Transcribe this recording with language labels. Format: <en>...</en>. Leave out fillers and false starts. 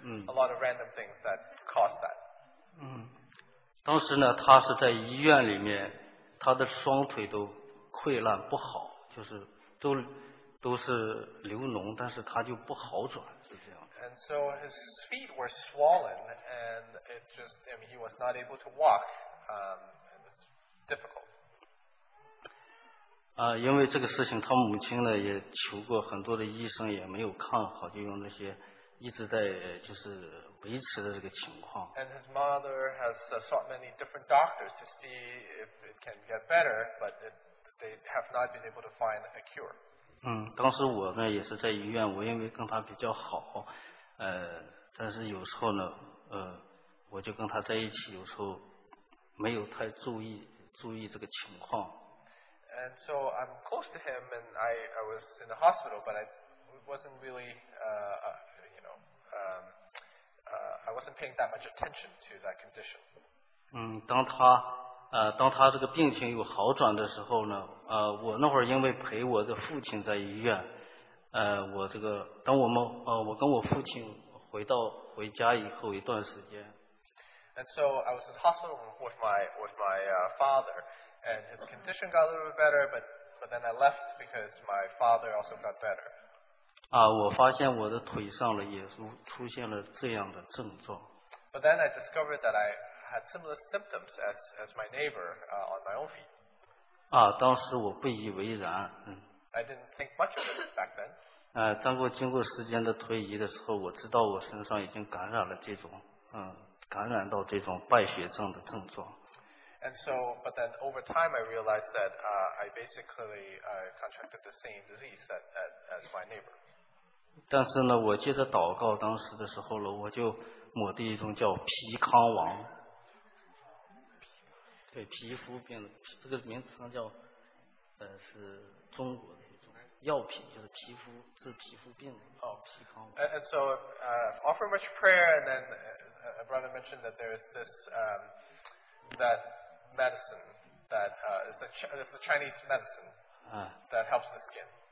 <en>A lot of random things that caused that.</en> <zh>当时呢，他是在医院里面，他的双腿都溃烂不好，就是都是流脓，但是他就不好转，是这样。</zh> <en>And so his feet were swollen, and it just, I mean, he was not able to walk. It was difficult.</en> <zh>因为这个事情，他母亲呢也求过很多的医生，也没有看好，就用那些一直在就是维持的这个情况。</zh> <en>And his mother has sought many different doctors to see if it can get better, but they have not been able to find a cure.</en> <zh>当时我呢也是在医院，我因为跟他比较好，但是有时候呢，我就跟他在一起，有时候没有太注意这个情况。</zh> <en>And so I'm close to him, and I was in the hospital, but I wasn't really, I wasn't paying that much attention to that condition.</en> <zh>当他这个病情有好转的时候呢，我那会儿因为陪我的父亲在医院，我这个等我们我跟我父亲回家以后一段时间。</zh> <en>And so I was in the hospital with my father. And his condition got a little bit better, but then I left because my father also got better.</en> <zh>我发现我的腿上了也出现了这样的症状。</zh> <en>But then I discovered that I had similar symptoms as my neighbor on my own feet.</en> <zh>当时我不以为然。</zh> <en>I didn't think much of it back then.</en> <zh>当过经过时间的推移的时候，我知道我身上已经感染了这种感染到这种败血症的症状。</zh> <en>And so, but then over time, I realized that I basically contracted the same disease that as my neighbor.</en> <zh>但是呢，我接着祷告当时的时候呢，我就抹的一种叫皮康王，对皮肤病的这个名词呢叫是中国的一种药品，就是皮肤治皮肤病的皮康王。</zh> <en>And so, offer much prayer, and then a brother mentioned that there is this that medicine that is a Chinese medicine that helps the skin.</en>